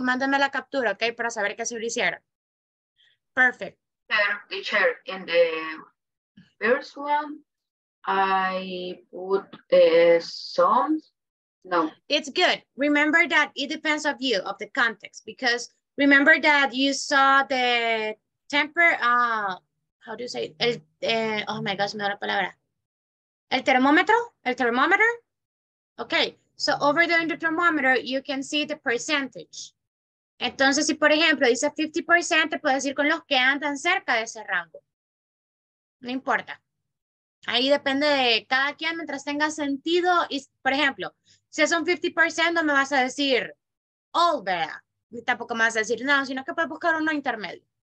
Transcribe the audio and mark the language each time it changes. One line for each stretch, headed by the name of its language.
Spanish: Mándame la captura, okay, para saber qué se lo hicieron.
English: Perfect. Teacher, in the first one, I put songs. No. It's good. Remember that it depends of you, of the context, because remember that you saw the temper, how do you say it? Oh my gosh,
Spanish: me da la palabra. El termómetro.
English: Okay, so over there in the thermometer, you can see the percentage.
Spanish: Entonces, si por ejemplo dice 50%, te puedes ir con los que andan cerca de ese rango. No importa. Ahí depende de cada quien mientras tenga sentido. Y, por ejemplo, si es un 50%, no me vas a decir
English: all bad.
Spanish: Ni tampoco me vas a decir no, sino que puedes buscar uno intermedio.